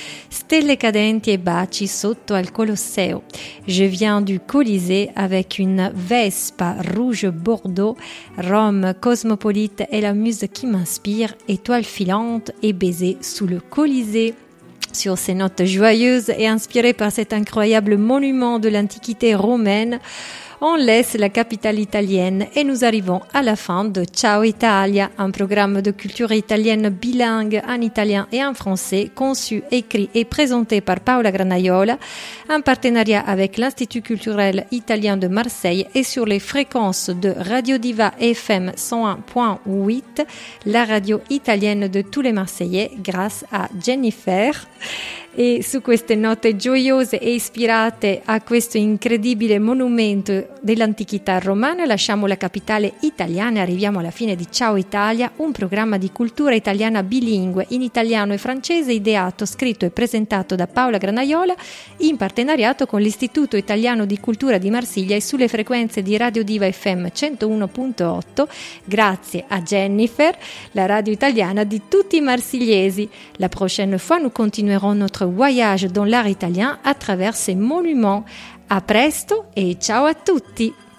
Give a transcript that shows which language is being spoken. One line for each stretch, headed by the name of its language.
Italian: Stelle cadenti e baci sotto al Colosseo.
French: Je viens du Colisée avec une Vespa rouge bordeaux, Rome cosmopolite è la musa qui m'inspire, étoile filante et baiser sous le Colisée. » Sur ces notes joyeuses et inspirées par cet incroyable monument de l'antiquité romaine, on laisse la capitale italienne et nous arrivons à la fin de Ciao Italia, un programme de culture italienne bilingue en italien et en français, conçu, écrit et présenté par Paola Granaiola, en partenariat avec l'Institut culturel italien de Marseille et sur les fréquences de Radio Diva FM 101.8, la radio italienne de tous les Marseillais, grâce à Jennifer.
Italian: E su queste note gioiose e ispirate a questo incredibile monumento dell'antichità romana lasciamo la capitale italiana e arriviamo alla fine di Ciao Italia, un programma di cultura italiana bilingue in italiano e francese ideato, scritto e presentato da Paola Granaiola in partenariato con l'Istituto Italiano di Cultura di Marsiglia e sulle frequenze di Radio Diva FM 101.8 grazie a Jennifer, la radio italiana di tutti i marsigliesi.
French: La prochaine fois nous continuerons notre voyage dans l'art italien à travers ces monuments.
Italian: À presto
French: et
Italian: ciao à tutti.